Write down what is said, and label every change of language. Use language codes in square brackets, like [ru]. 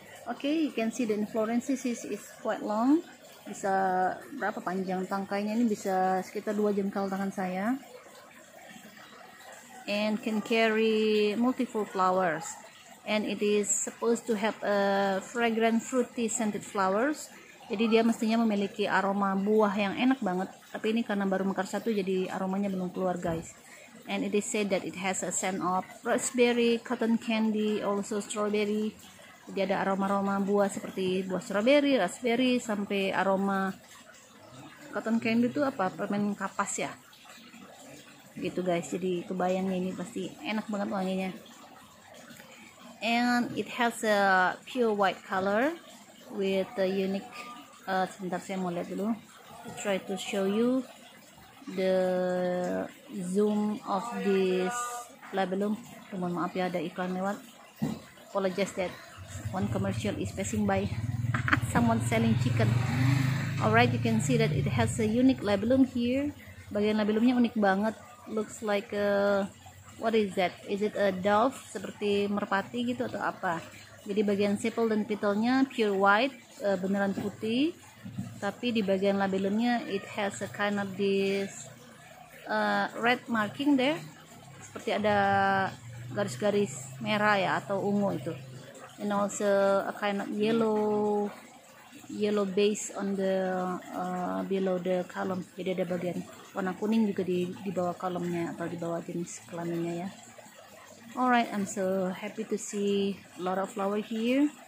[en] Okay, you can see the inflorescence is quite long. [id] Bisa berapa panjang tangkainya ini? Bisa sekitar 2 jengkal tangan saya. [en] And can carry multiple flowers. And it is supposed to have a fragrant fruity scented flowers. [id] Jadi dia mestinya memiliki aroma buah yang enak banget, tapi ini karena baru mekar satu jadi aromanya belum keluar guys. [en] And it is said that it has a scent of raspberry, cotton candy, also strawberry. [id] Jadi ada aroma-aroma buah seperti buah strawberry, raspberry, sampai aroma cotton candy itu apa, permen kapas ya. Gitu guys, jadi kebayangnya ini pasti enak banget wanginya. [en] And it has a pure white color with a unique [id] sebentar saya mau lihat dulu. [en] I try to show you the zoom of this labellum. [id] Mohon maaf ya ada iklan lewat. [en] Apologize that one commercial is passing by. Someone selling chicken. Alright, you can see that it has a unique labellum here. [id] Bagian labellumnya unik banget. [en] Looks like a, what is that? Is it a dove? [id] Seperti merpati gitu atau apa? Jadi bagian sepal dan petalnya [en] pure white, [id] beneran putih. Tapi di bagian labelnya [en] it has a kind of this red marking there. [id] Seperti ada garis-garis merah ya atau ungu itu. [en] And also a kind of yellow base on the below the column. [id] Jadi ada bagian warna kuning juga di bawah kolomnya atau di bawah jenis kelaminnya ya. [en] Alright, I'm so happy to see a lot of flower here.